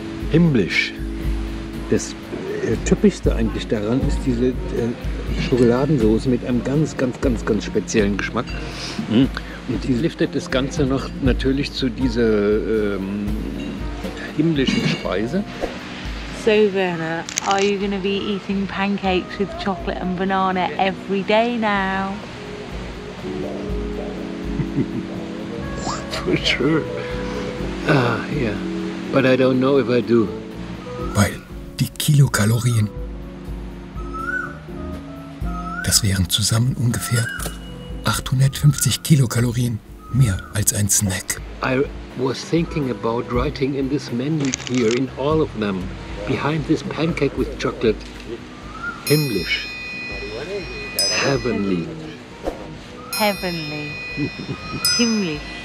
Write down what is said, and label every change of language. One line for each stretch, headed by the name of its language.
German: Himmlisch. Das Typischste eigentlich daran ist diese Schokoladensoße mit einem ganz, ganz, ganz, ganz speziellen Geschmack. Und die liftet das Ganze noch natürlich zu dieser himmlischen Speise.
English: So, Verna, are you going to be eating pancakes with chocolate and banana every day now? For sure. Yeah. But I don't know if I do.
German: Weil die Kilokalorien, das wären zusammen ungefähr 850 Kilokalorien, mehr als ein Snack.
English: I was thinking about writing in this menu here, in all of them, behind this pancake with chocolate, himmlisch, heavenly. heavenly, himmlisch.